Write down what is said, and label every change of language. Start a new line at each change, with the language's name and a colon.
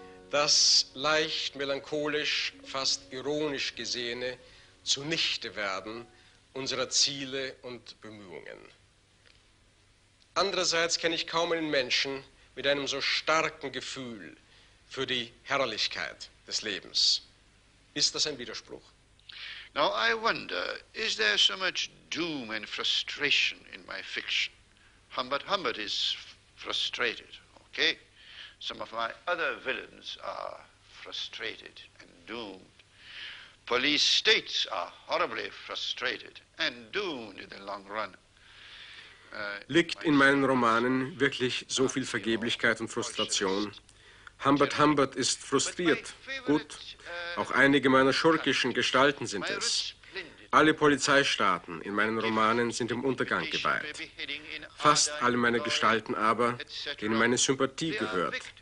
German: Das leicht melancholisch, fast ironisch gesehene Zunichtewerden unserer Ziele und Bemühungen. Andererseits kenne ich kaum einen Menschen mit einem so starken Gefühl für die Herrlichkeit des Lebens. Ist das ein Widerspruch?
English: Now I wonder, is there so much doom and frustration in my fiction? Humbert is frustrated, okay? Some of my other villains are frustrated and doomed. Police states are horribly frustrated and doomed in the long run.
German: Liegt in meinen Romanen wirklich so viel Vergeblichkeit und Frustration? Humbert ist frustriert, gut, auch einige meiner schurkischen Gestalten sind es. Alle Polizeistaaten in meinen Romanen sind im Untergang geweiht. Fast alle meine Gestalten aber, denen meine Sympathie gehört,